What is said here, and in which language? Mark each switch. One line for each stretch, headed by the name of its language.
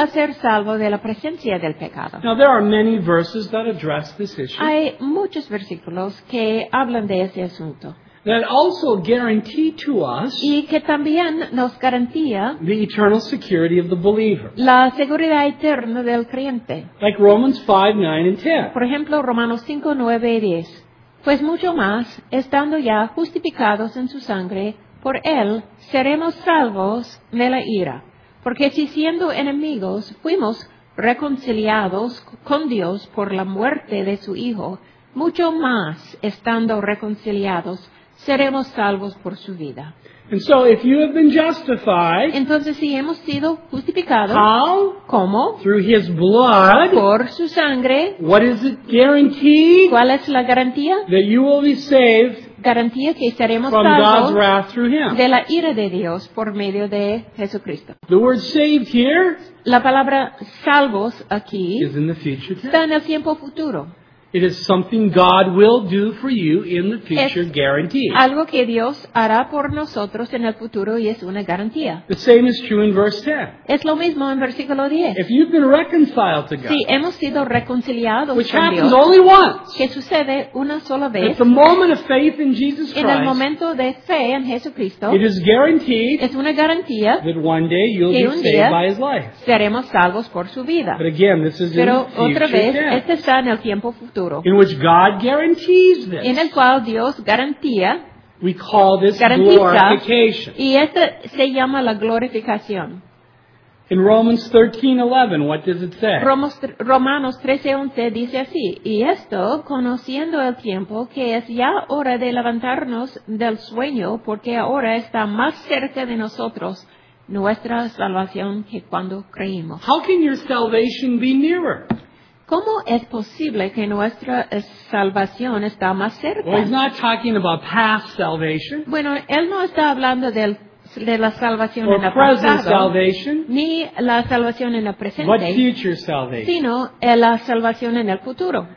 Spanish: A ser salvo de la presencia del pecado.
English: Now there are many verses that address this issue.
Spanish: Hay muchos versículos que hablan de ese asunto.
English: That also guarantee to us
Spanish: y que también nos garantía
English: the eternal security of the believer.
Spanish: La seguridad eterna del creyente.
English: Like Romans 5, 9 and 10.
Spanish: Por ejemplo, Romanos 5, 9 y 10. Pues mucho más, estando ya justificados en su sangre, por él seremos salvos de la ira. Porque si siendo enemigos fuimos reconciliados con Dios por la muerte de su Hijo, mucho más estando reconciliados, seremos salvos por su vida.
English: And so if you have been justified,
Spanish: entonces si hemos sido justificados,
English: how?
Spanish: ¿Cómo?
English: Through his blood,
Spanish: por su sangre,
English: what is it guaranteed?
Spanish: ¿Cuál es la garantía?
English: That you will be saved,
Spanish: garantía que seremos
English: from
Spanish: salvos
English: God's wrath through him.
Spanish: De la ira de Dios por medio de Jesucristo.
English: The word saved here,
Spanish: la palabra salvos aquí,
English: is in the future
Spanish: está en el tiempo futuro.
English: It is something God will do for you in the future, guaranteed.
Spanish: Algo que Dios hará por nosotros en el futuro y es una garantía.
English: The same is true in verse 10.
Spanish: Es lo mismo en versículo 10.
English: If you've been reconciled to God,
Spanish: si hemos sido reconciliados
English: which
Spanish: con
English: happens
Spanish: Dios,
English: only once,
Spanish: que sucede una sola vez,
English: at the moment of faith in Jesus Christ,
Spanish: en el momento de fe en Jesucristo,
English: it is guaranteed,
Spanish: es una garantía,
English: that one day you'll
Spanish: que
English: be
Spanish: un
English: saved
Spanish: día
English: by his life.
Spanish: Seremos salvos por su vida.
English: But again, this is
Spanish: pero
English: in future
Spanish: otra vez, 10. Este está en el tiempo futuro.
English: In which God guarantees this.
Spanish: En el cual Dios garantía.
English: We call this glorification.
Spanish: Y esta se llama la glorificación.
English: In Romans 13:11, what does it say?
Spanish: Romanos 13:11 dice así. Y esto, conociendo el tiempo, que es ya hora de levantarnos del sueño, porque ahora está más cerca de nosotros nuestra salvación que cuando creímos.
English: How can your salvation be nearer?
Spanish: ¿Cómo es posible que nuestra salvación está más cerca?
English: Well, he's not talking about past salvation.
Spanish: Bueno, él no está hablando de la salvación
English: or
Spanish: en el
English: present
Spanish: pasado,
English: salvation,
Spanish: ni la salvación en el presente,
English: but future salvation.
Spanish: Sino la salvación en el futuro.